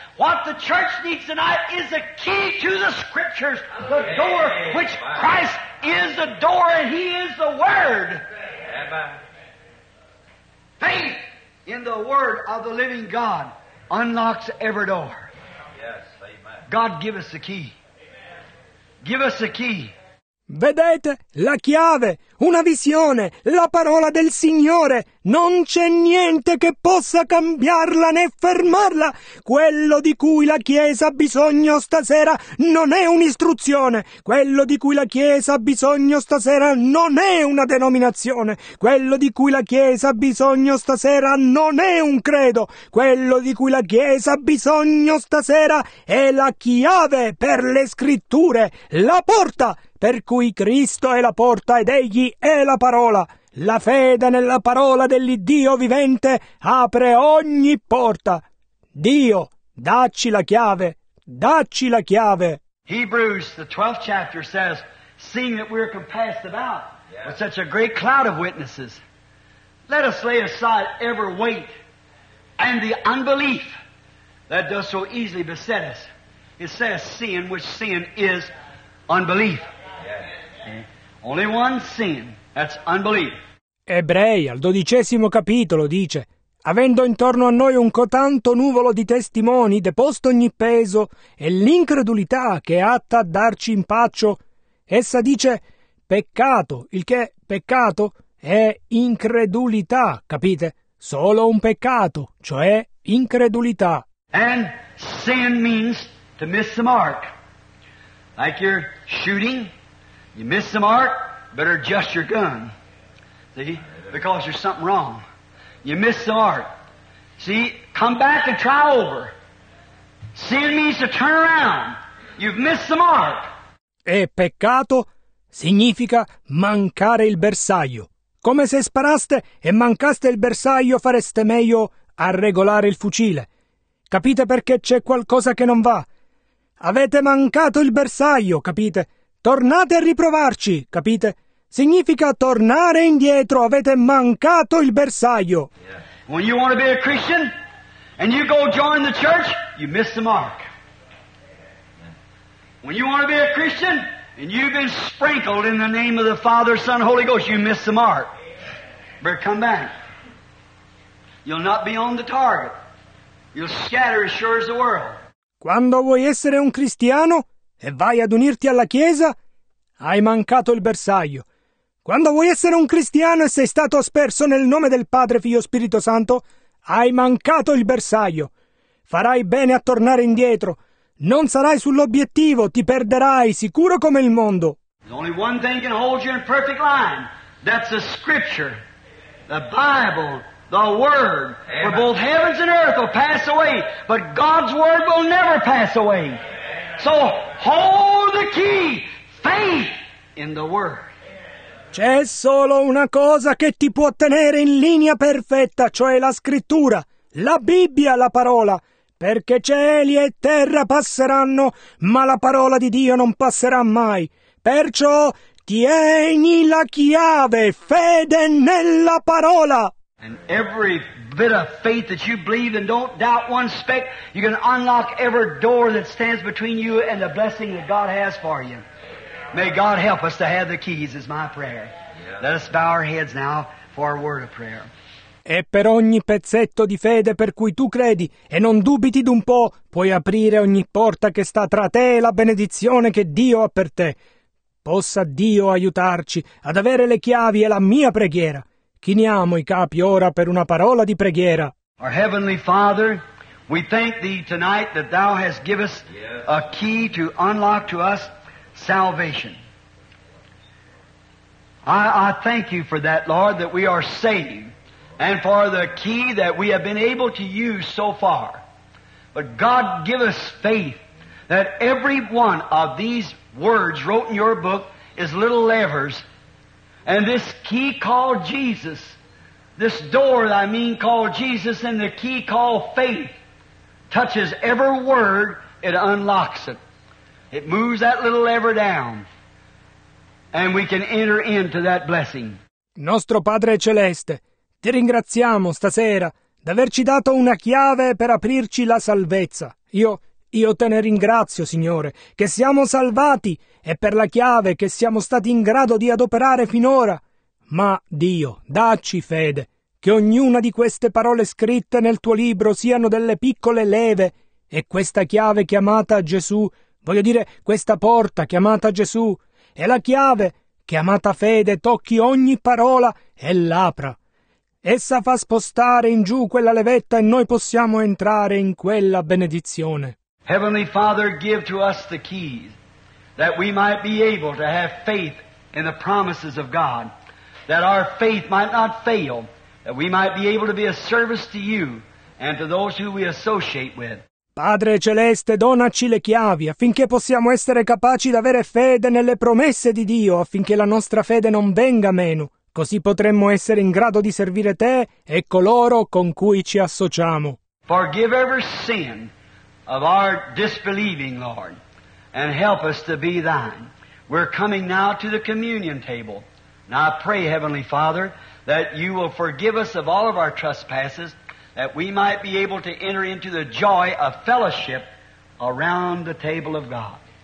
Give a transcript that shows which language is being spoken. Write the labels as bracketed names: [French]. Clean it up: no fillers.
[English] What the church needs tonight is the key to the Scriptures, the door, which Christ is the door and He is the Word. Faith in the Word of the living God unlocks every door. Yes, amen. God, give us the key. Give us the key. [Italian] Vedete la chiave, una visione, la parola del Signore. Non c'è niente che possa cambiarla né fermarla. Quello di cui la Chiesa ha bisogno stasera non è un'istruzione. Quello di cui la Chiesa ha bisogno stasera non è una denominazione. Quello di cui la Chiesa ha bisogno stasera non è un credo. Quello di cui la Chiesa ha bisogno stasera è la chiave per le Scritture, la porta, per cui Cristo è la porta ed Egli è la parola. La fede nella parola dell'Iddio vivente apre ogni porta. Dio, dacci la chiave, dacci la chiave. [English] Hebrews, the 12th chapter, says, seeing that we are compassed about with such a great cloud of witnesses, let us lay aside every weight and the unbelief that does so easily beset us. It says sin, which sin is unbelief. Only one sin, that's unbelief. [Italian] Ebrei, al 12° capitolo, dice: avendo intorno a noi un cotanto nuvolo di testimoni, deposto ogni peso e l'incredulità che è atta a darci impaccio, essa dice peccato, il che peccato è incredulità, capite? Solo un peccato, cioè incredulità. [English] And sin means to miss the mark. Like you're shooting, you miss the mark, better adjust your gun. See? Because there's something wrong. You miss the mark. See? Come back and try over. Sin means to turn around. You've missed the mark. [Italian] E peccato significa mancare il bersaglio. Come se sparaste e mancaste il bersaglio, fareste meglio a regolare il fucile. Capite perché c'è qualcosa che non va? Avete mancato il bersaglio, capite? Tornate a riprovarci, capite? Significa tornare indietro, avete mancato il bersaglio. [English] When you want to be a Christian and you go join the church, you miss the mark. When you want to be a Christian and you've been sprinkled in the name of the Father, Son, Holy Ghost, you miss the mark. But come back. You'll not be on the target. You'll scatter as sure as the world. [Italian] Quando vuoi essere un cristiano e vai ad unirti alla Chiesa, hai mancato il bersaglio. Quando vuoi essere un cristiano e sei stato sperso nel nome del Padre, Figlio e Spirito Santo, hai mancato il bersaglio. Farai bene a tornare indietro. Non sarai sull'obiettivo, ti perderai, sicuro come il mondo. [English] There's only one thing can hold you in perfect line. That's the Scripture, the Bible, the Word. Amen. For both heavens and earth will pass away, but God's Word will never pass away. So hold the key, faith in the Word. [Italian] C'è solo una cosa che ti può tenere in linea perfetta, cioè la Scrittura, la Bibbia, la parola. Perché cieli e terra passeranno, ma la parola di Dio non passerà mai. Perciò tieni la chiave, fede nella parola. [English] And every bit of faith that you believe and don't doubt one speck, you can unlock every door that stands between you and the blessing that God has for you. May God help us to have the keys, is my prayer. Let us bow our heads now for a word of prayer. [Italian] E per ogni pezzetto di fede per cui tu credi e non dubiti d'un po', puoi aprire ogni porta che sta tra te e la benedizione che Dio ha per te. Possa Dio aiutarci ad avere le chiavi e la mia preghiera. Chiniamo i capi ora per una parola di preghiera. [English] Our Heavenly Father, we thank Thee tonight that Thou hast given us a key to unlock to us salvation. I thank You for that, Lord, that we are saved, and for the key that we have been able to use so far. But God, give us faith that every one of these words wrote in Your book is little levers, and this key called Jesus, this door, I mean, called Jesus, and the key called faith touches every word, it unlocks it. It moves that little lever down, and we can enter into that blessing. [Italian] Nostro Padre Celeste, ti ringraziamo stasera d'averci dato una chiave per aprirci la salvezza, Io te ne ringrazio, Signore, che siamo salvati e per la chiave che siamo stati in grado di adoperare finora. Ma, Dio, dacci fede che ognuna di queste parole scritte nel tuo libro siano delle piccole leve e questa chiave chiamata Gesù, voglio dire questa porta chiamata Gesù, è la chiave chiamata fede, tocchi ogni parola e l'apra. Essa fa spostare in giù quella levetta e noi possiamo entrare in quella benedizione. [English] Heavenly Father, give to us the keys that we might be able to have faith in the promises of God, that our faith might not fail, that we might be able to be a service to you and to those who we associate with. [Italian] Padre Celeste, donaci le chiavi affinché possiamo essere capaci di avere fede nelle promesse di Dio, affinché la nostra fede non venga meno. Così potremmo essere in grado di servire te e coloro con cui ci associamo. [English] Forgive every sin of our disbelieving, Lord, and help us to be thine. We're coming now to the communion table. Now I pray, Heavenly Father, that you will forgive us of all of our trespasses, that we might be able to enter into the joy of fellowship around the table of God.